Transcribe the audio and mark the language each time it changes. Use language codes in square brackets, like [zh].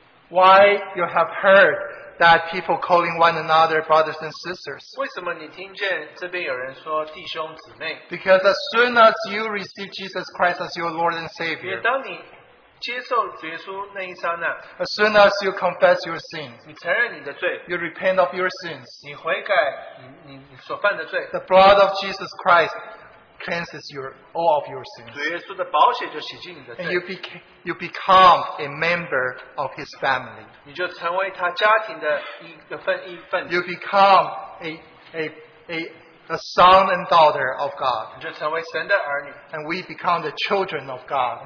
[en] why you have heard that people calling one another brothers and sisters? [zh] 为什么你听见这边有人说弟兄姊妹? [en] Because as soon as you receive Jesus Christ as your Lord and Savior, [zh] 也当你 接受耶稣那一刹那, [en] as soon as you confess your sins, [zh] 你承认你的罪, [en] you repent of your sins, [zh] 你悔改你所犯的罪, [en] the blood of Jesus Christ cleanses all of your sins, [zh] 主耶稣的宝血就洗净你的罪, [en] and you become a member of his family. [zh] 你就成为他家庭的一份, [en] you become a son and daughter of God, and we become the children of God.